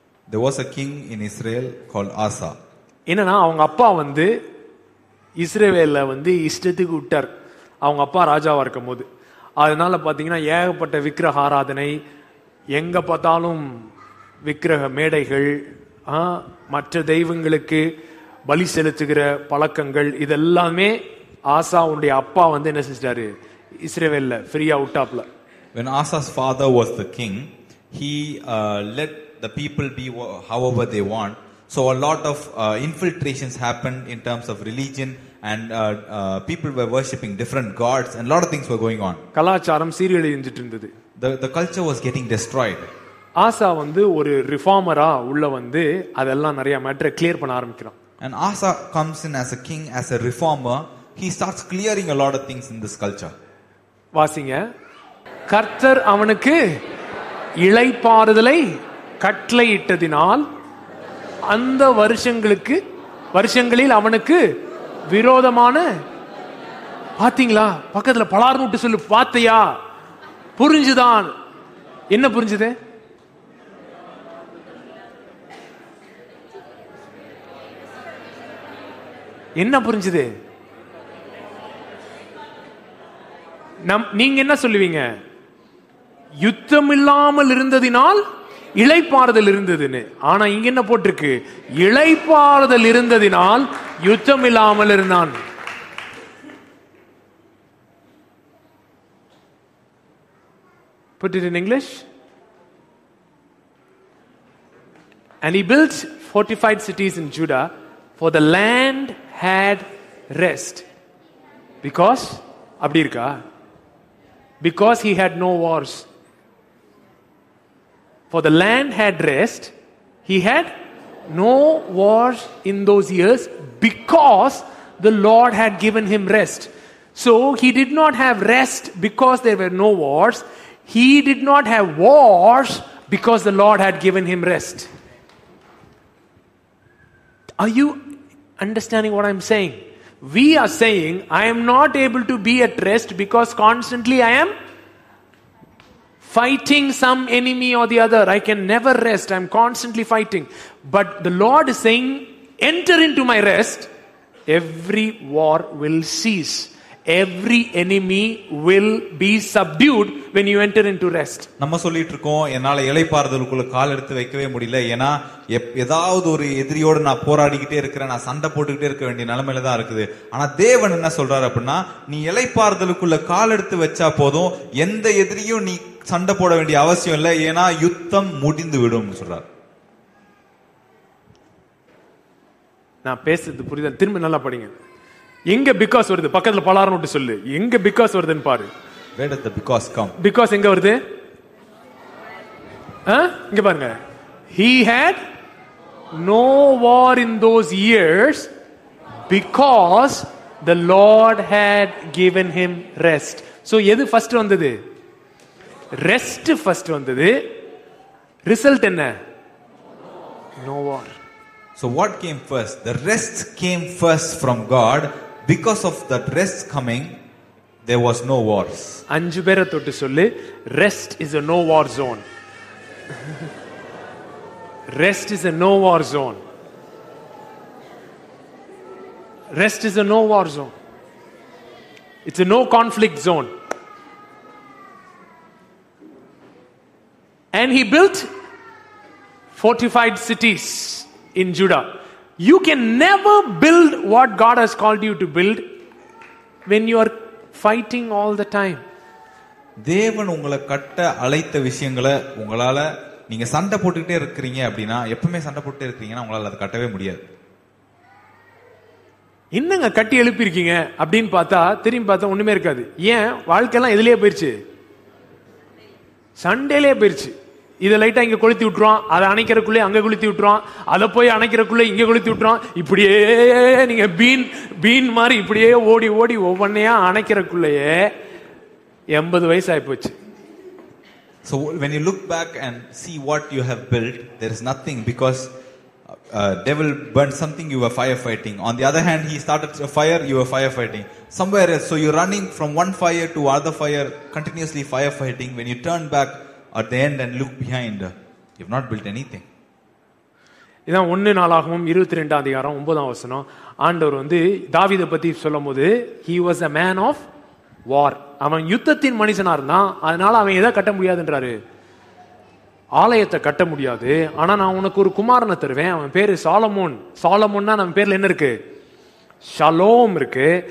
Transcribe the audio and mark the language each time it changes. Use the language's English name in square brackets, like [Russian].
[English] There was a king in Israel called Asa. [Tamil] என்னன்னா, அவங்க அப்பா வந்து இஸ்ரேல்ல வந்து இஷ்டத்துக்கு விட்டார். அவங்க அப்பா ராஜாவா இருக்கும் போது. அதனால பாத்தீங்கன்னா ஏகப்பட்ட விக்கிரக ஆராதனை, எங்க பார்த்தாலும் விக்கிரக மேடைகள், மற்ற தெய்வங்களுக்கு பலி செலுத்துகிற பழக்கங்கள், இதெல்லாமே ஆசாவுடைய அப்பா வந்து என்ன செஞ்சிட்டாரு, இஸ்ரேவேல்ல ஃப்ரீயா விட்டாப்ல. [English] When Asa's father was the king, he let the people be however they want. So a lot of infiltrations happened in terms of religion, and people were worshipping different gods, and a lot of things were going on. [Tamil] கலாச்சாரம் சீரழிஞ்சிட்டிருந்தது. [English] The culture was getting destroyed. [Tamil] Asa வந்து ஒரு ரிஃபார்மரா உள்ள வந்து அதெல்லாம் நிறைய மேட்டரை clear பண்ண ஆரம்பிக்கிறான். [English] And Asa comes in as a king, as a reformer, he starts clearing a lot of things in this culture. [Tamil] வாசிங்க, கர்த்தர் அவனுக்கு இளைப்பாறுதலை கட்டளையிட்டதினால் அந்த வருஷங்களுக்கு வருஷங்களில் அவனுக்கு விரோதமான, பாத்தீங்களா பக்கத்துல பலார்னுட்டு சொல்லு, பாத்தியா புரிஞ்சுதான், என்ன புரிஞ்சுது, என்ன புரிஞ்சுது, நீங்க என்ன சொல்லுவீங்க, யுத்தம் இல்லாமல் இருந்ததினால் இளைப்பாறுதல் இருந்ததுன்னு. ஆனா இங்க என்ன போட்டிருக்கு, இளைப்பாறுதல் இருந்ததினால் யுத்தம் இல்லாமல் இருந்தான். [English] Put it in English. And he built fortified cities in Judah, for the land had rest. Because [Tamil] அப்படி இருக்கா, [English] because he had no wars. For the land had rest, he had no wars in those years because the Lord had given him rest. So he did not have rest because there were no wars. He did not have wars because the Lord had given him rest. Are you understanding what I'm saying? We are saying, I am not able to be at rest because constantly I am fighting some enemy or the other. I can never rest. I'm constantly fighting. But the Lord is saying, enter into my rest. Every war will cease. Every enemy will be subdued when you enter into rest. [Tamil] நம்ம சொல்லிட்டு இருக்கோம், என்னால இளைப்பாறுதலுக்குள்ள கால் எடுத்து வைக்கவே முடியல, ஏன்னா ஏதாவது ஒரு எதிரியோடு நான் போராடிக்கிட்டே இருக்கிறேன், நான் சண்டை போட்டுக்கிட்டே இருக்க வேண்டிய நிலைமையில தான் இருக்குது. ஆனா தேவன் என்ன சொல்றாரு அப்படின்னா, நீ இளைப்பாறுதலுக்குள்ள கால் எடுத்து வச்சா போதும், எந்த எதிரியும் நீ சண்டை போட வேண்டிய அவசியம் இல்லை, ஏன்னா யுத்தம் முடிந்து விடும் சொல்றாரு. நான் பேசுறது புரியுதா, திரும்ப நல்லா படிங்க. எங்க பிகாஸ் வருது, பக்கத்துல பலாரம் விட்டு சொல்லு, எங்க பிகாஸ் வருதுன்னு பாரு. [English] Where did the because come? [Tamil] Because எங்க வருது, இங்க பாருங்க. [English] He had no war in those years because the Lord had given him rest. [Tamil] So எது ஃபர்ஸ்ட் வந்தது, ரெஸ்ட் ஃபர்ஸ்ட் வந்தது, ரிசல்ட் என்ன, [English] no war. So what came first? The rest came first from God. Because of that rest coming, there was no wars. [Tamil] அஞ்சு பேரை தொட்டு சொல்லு, [English] rest is a no war zone. Rest is a no war zone. Rest is a no war zone. It's a no conflict zone. And he built fortified cities in Judah. You can never build what God has called you to build when you are fighting all the time. [Tamil] தேவன் உங்களை கட்ட அழைத்த விஷயங்களை உங்களால நீங்க சண்டை போட்டுக்கிட்டே இருக்கிறீங்க அப்படின்னா, எப்பவுமே சண்டை போட்டு இருக்கிறீங்கன்னா உங்களால அதை கட்டவே முடியாது. என்னங்க கட்டி எழுப்பியிருக்கீங்க அப்படின்னு பார்த்தா, திரும்பி பார்த்தா ஒண்ணுமே இருக்காது. ஏன், வாழ்க்கையெல்லாம் எதுலயே போயிருச்சு, சண்டையிலேயே போயிருச்சு. இதை லைட்டா இங்க கொளுத்தி விட்டுறோம், அதை அணைக்கிறக்குள்ளே அங்க கொளுத்தி விட்டுறோம், அதை போய் அணைக்கிறக்குள்ளே இங்க கொளுத்தி விட்டுறோம், இப்படியே நீங்க பீன் பீன் மாதிரி இப்படியே ஓடி ஓடி ஒவ்வொன்னையா அணைக்கிறக்குள்ளேயே 80 வயசு ஆயிப்போச்சு. [English] So when you look back and see what you have built, there is nothing, because devil burned something, you were firefighting. On the other hand, he started a fire, you were firefighting somewhere else. So you're running from one fire to other fire, continuously firefighting. When you turn back at the end and look behind, you've not built anything. [Tamil] இத 1 நாளாகமும் 22 ஆம் அதிகாரம் 9 ஆம் வசனம், ஆண்டவர் வந்து தாவீதை பத்தி சொல்லும்போது, [English] he was a man of war. [Tamil] அவன் யுத்தத்தின் மனுஷனா இருந்தா அதனால அவன் எதை கட்ட முடியாதுன்றாரு, ஆலயத்தை கட்ட முடியாது. ஆனா நான் உனக்கு ஒரு குமாரனை தருவேன், அவன் பேரு சாலமோன். சாலமோன்னா நம்ம பேர்ல என்ன இருக்கு, ஷலோம் இருக்கு.